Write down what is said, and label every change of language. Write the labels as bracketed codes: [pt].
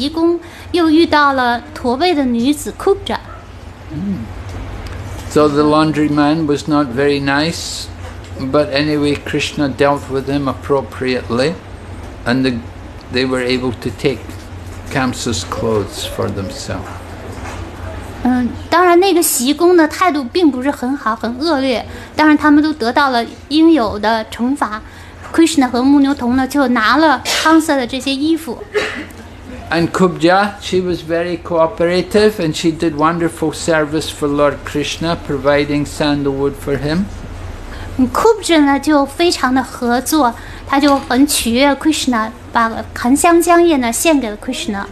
[zh] 我们也讲到了，他们在马图拉就遇见了不同的人，他们遇见了康斯的洗衣工，又遇到了驼背的女子库扎。 [en] So the laundry man was not very nice, but anyway, Krishna dealt with him appropriately, and they were able to take Kamsa's clothes for themselves. [zh] 当然那个洗衣工的态度并不是很好，很恶劣，当然他们都得到了应有的惩罚。 Krishna 和牧牛童呢，就拿了康瑟的这些衣服。 [en] And Kubja, she was very cooperative and she did wonderful service for Lord Krishna, providing sandalwood for him. [zh] Kubja 呢，就非常的合作，他就很取悦 Krishna， 把檀香香叶呢献给了 Krishna。